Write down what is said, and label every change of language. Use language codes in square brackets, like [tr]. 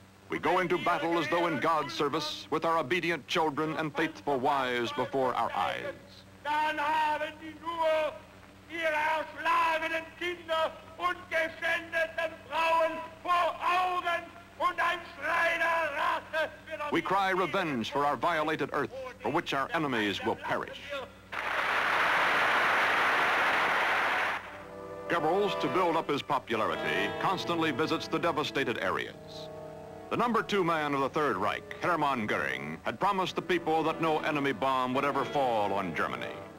[en] We go into battle as though in God's service, with our obedient children and faithful wives before our eyes. [de] Dann haben die nur ihre erschlagenen Kinder und geschändeten Frauen vor Augen und ein Schrei der Rache. [en] We cry revenge for our violated earth, for which our enemies will perish. Goebbels, to build up his popularity, constantly visits the devastated areas. The number two man of the Third Reich, Hermann Göring, had promised the people that no enemy bomb would ever fall on Germany.